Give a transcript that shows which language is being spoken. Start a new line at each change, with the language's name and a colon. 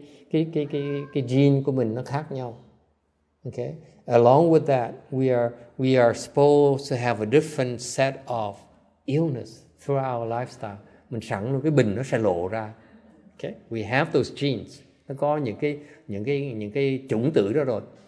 Vietnamese: Cái gene của mình nó khác nhau. Okay.
English: Along with that, we are supposed to have a different set of illness through our lifestyle.
Vietnamese: Mình sẵn cái bình nó sẽ lộ ra. Okay.
English: We have those genes.
Vietnamese: Nó có những cái chủng tử đó rồi.